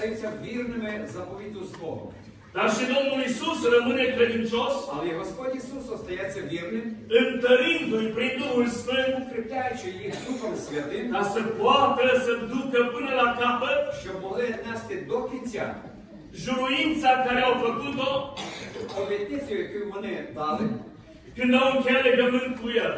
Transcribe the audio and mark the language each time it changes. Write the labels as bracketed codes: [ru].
[uk] Остаються вірними заповіту Слову. [ro] Dar și Domnul Iisus rămâne credincios, [uk] але Господь Ісус остається вірним, [ro] întărindu-i prin Duhul Sfânt, [uk] укрепляючи їх Духом Святим, [ro] ca să poată să ducă până la capăt, [uk] щоб могли нести до кінця, [ro] juruința care au făcut-o, [uk] obietnițiu, яку вони дали, [ro] când au încheiat legământ cu El,